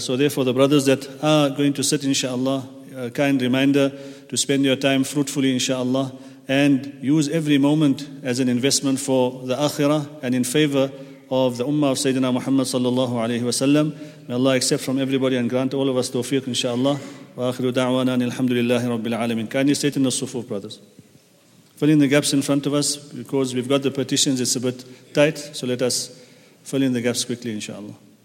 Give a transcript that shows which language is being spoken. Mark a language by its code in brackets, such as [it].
[en] So therefore, the brothers that are going to sit, inshaAllah, a kind reminder to spend your time fruitfully, inshaAllah, and use every moment as an investment for the akhirah and in favor of the ummah of Sayyidina Muhammad sallallahu alayhi wa sallam. May Allah accept from everybody and grant all of us tawfiq, inshaAllah. [ar] وآخر دعوانا أن الحمد لله رب العالمين. [en] Kindly sit in the صفوف, brothers. Fill in the gaps in front of us, because we've got the partitions, it's a bit tight. So let us fill in the gaps quickly, inshaAllah.